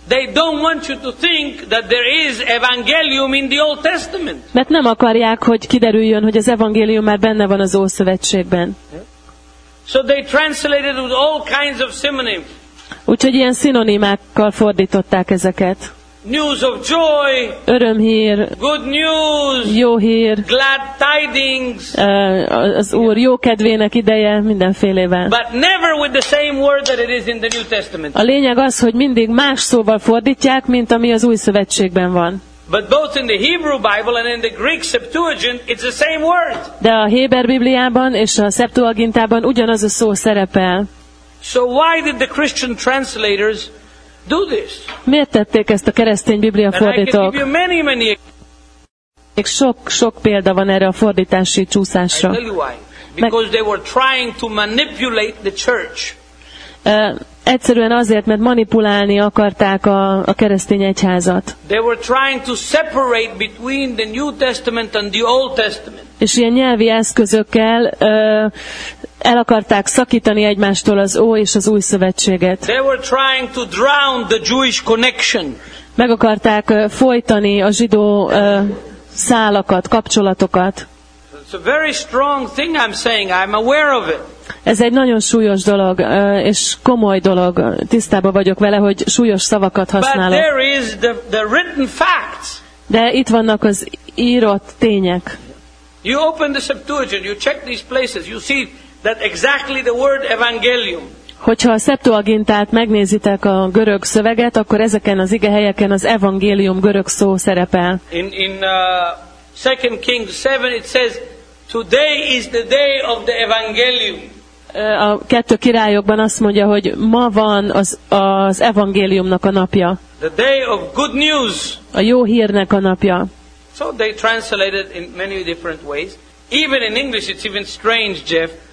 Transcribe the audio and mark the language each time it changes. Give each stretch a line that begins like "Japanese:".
English: They don't want you to think that there is evangelium in the Old Testament.
Hungarian: Mert nem akarják, hogy kiderüljön, hogy az evangélium már benne van az Ószövetségben.
English: So they translated with all kinds of synonyms.
Hungarian: Úgyhogy ilyen szinonimákkal fordították ezeket.
English: News of joy.
Hungarian: Örömhír.
English: Good news.
Hungarian: Jó hír.
English: Glad tidings.
Hungarian: Az Úr jó kedvének ideje mindenfélével.
English: But never with the same word that it is in the New Testament.
Hungarian: A lényeg az, hogy mindig más szóval fordítják, mint ami az Új Szövetségben van.
English: But both in the Hebrew Bible and in the Greek Septuagint, it's the same word.
Hungarian: De a Héber Bibliában és a Septuagintában ugyanaz a szó szerepel.
English: So why did the Christian translators do this?
Hungarian: Miért tették ezt a keresztény biblia fordítók? Még sok példa van erre a fordítási csúszásra.
English: Because they were trying to manipulate the church.
Hungarian: Egyszerűen azért, mert manipulálni akarták a keresztény egyházat.
English: They were trying to separate between the New Testament and the Old Testament.
Hungarian: És ilyen nyelvi eszközökkel el akarták szakítani egymástól az Ó és az Új Szövetséget.
English: They were trying to drown the Jewish connection.
Hungarian: Meg akarták folytani a zsidó szálakat, kapcsolatokat.
English: It's a very strong thing I'm saying. I'm aware of it.
Hungarian: Ez egy nagyon súlyos dolog, és komoly dolog. Tisztában vagyok vele, hogy súlyos szavakat használok.
English: But there is the written facts.
Hungarian: De itt vannak az írott tények.
English: You open the Septuagint, you check these places, you see that exactly the word evangelium.
Hungarian: Hogyha a Septuagintát megnézitek a görög szöveget, akkor ezeken az ige helyeken az evangélium görög szó szerepel.
English: In 2 Kings 7 it says today is the day of the evangelium.
Hungarian: A Kettő Királyokban azt mondja, hogy ma van az evangéliumnak a napja.
English: The day of good news.
Hungarian: A jó hírnek a napja.
English: So they translated in many different ways. Even in English it's even strange, Jeff.